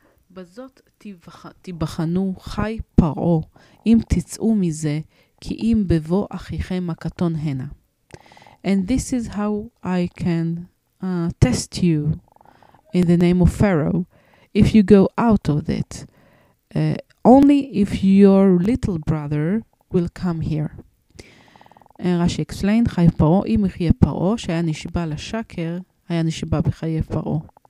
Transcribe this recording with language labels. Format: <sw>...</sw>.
<he>בזאת תיבחנו חי פרעה אם תצאו מזה כי אם בבוא אחיכם הקטון הנה.</he> <en>And this is how I can test you in the name of Pharaoh if you go out of it, only if your little brother will come here.</en> <he>רשי אקסלין, חי פרעה, אם יחיה פרעה, שהיה נשבע לשקר, היה נשבע בחיי פרעה.</he>